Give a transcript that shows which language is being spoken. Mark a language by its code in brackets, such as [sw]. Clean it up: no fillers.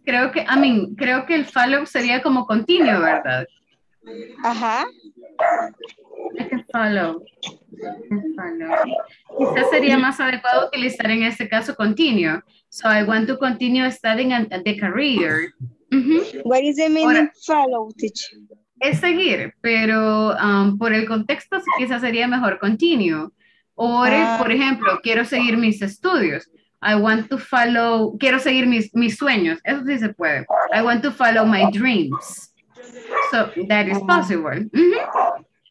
[es] Creo que el follow sería como continuo, ¿verdad? Ajá. [en] Follow. [es] Quizás sería más adecuado utilizar en este caso continuo. [en] So I want to continue studying the career. Mm-hmm. What is the meaning of follow, teacher? [es] Es seguir, pero por el contexto quizás sería mejor continuo. Or, por ejemplo, quiero seguir mis estudios. [en] I want to follow, [es] quiero seguir mis sueños. Eso sí se puede. [en] I want to follow my dreams. So that is possible. Mm-hmm.